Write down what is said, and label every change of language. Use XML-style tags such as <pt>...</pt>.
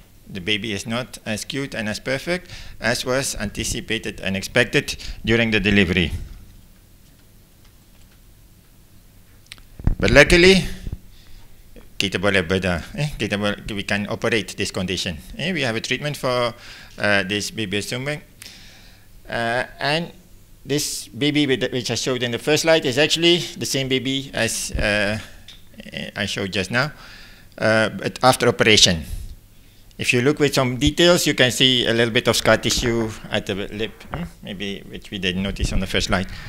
<en>The baby is not as cute and as perfect as was anticipated and expected during the delivery. But luckily,</en> <ms>kita boleh bedah.</ms> <en>We can operate this condition. We have a treatment for this baby sumbang. And this baby, which I showed in the first slide, is actually the same baby as I showed just now. But after operation, if you look with some details, you can see a little bit of scar tissue at the lip, maybe, which we didn't notice on the first slide.</en>